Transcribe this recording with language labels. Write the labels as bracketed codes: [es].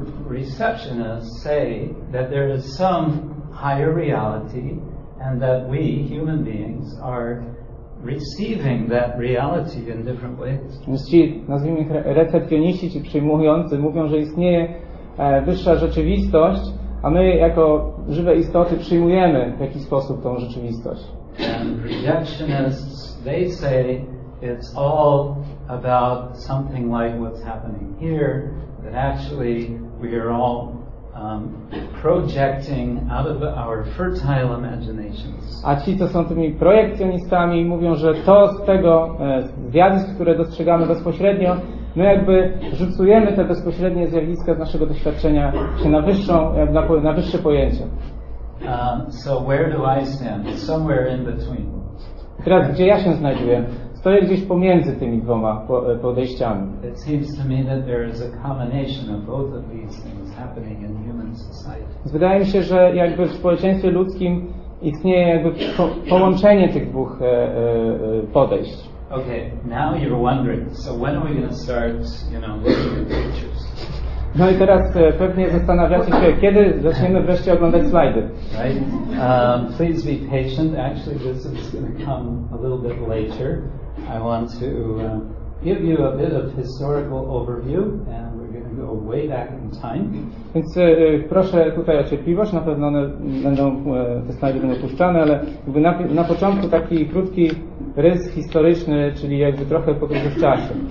[en] Receptionists say that there is some higher reality and that we, human beings, are receiving that reality in different ways. [pl] Więc ci, nazwijmy ich recepcjoniści, czy przyjmujący, mówią, że istnieje wyższa rzeczywistość, a my jako żywe istoty przyjmujemy w jakiś sposób tą rzeczywistość. [en] And rejectionists, they say it's all about something like what's happening here, that actually we are all projecting out of our fertile imaginations. [pl] A ci, co są tymi projekcjonistami, mówią, że to z tego zjawisk, które dostrzegamy bezpośrednio, my jakby rzucujemy te bezpośrednie zjawiska z naszego doświadczenia się na wyższą, na wyższe pojęcie. [en] So where do I stand? Somewhere in between. [pl] Teraz, gdzie ja się znajduję? Stoję gdzieś pomiędzy tymi dwoma podejściami. [en] It seems to me that there is a combination of both of these things happening in human society. [pl] Wydaje mi się, że jakby w społeczeństwie ludzkim istnieje jakby połączenie tych dwóch podejść. [en] Okay, now you're wondering, so when are we going to start, you know, looking at pictures? [pl] No i teraz pewnie zastanawiacie się, kiedy zaczniemy wreszcie oglądać slajdy. [en] Right? Please be patient. Actually, this is going to come a little bit later. I want to give you a bit of historical overview, and we're going to go way back in time. [pl] Więc proszę tutaj o cierpliwość. Na pewno one będą, te slajdy będą opuszczane, ale jakby na początku taki krótki rys historyczny, czyli jakby trochę podróż w czasie.